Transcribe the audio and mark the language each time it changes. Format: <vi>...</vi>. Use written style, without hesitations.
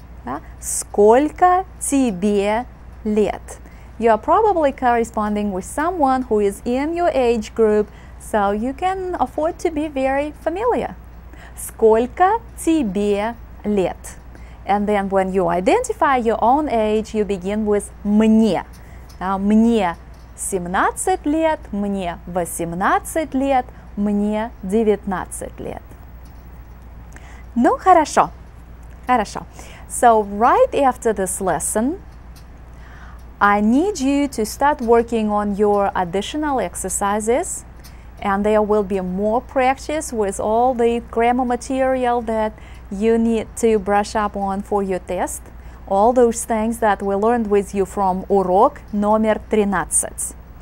<ru>Да? Сколько тебе лет?</ru> <en>You are probably corresponding with someone who is in your age group, so you can afford to be very familiar.</en> <ru>Сколько тебе лет?</ru> <en>And then when you identify your own age, you begin with</en> <ru>мне. Now, мне 17 лет, мне 18 лет, мне 19 лет. Ну, хорошо, хорошо.</ru> <en>So, right after this lesson, I need you to start working on your additional exercises, and there will be more practice with all the grammar material that you need to brush up on for your test, all those things that we learned with you from</en> <ru>урок номер 13.</ru>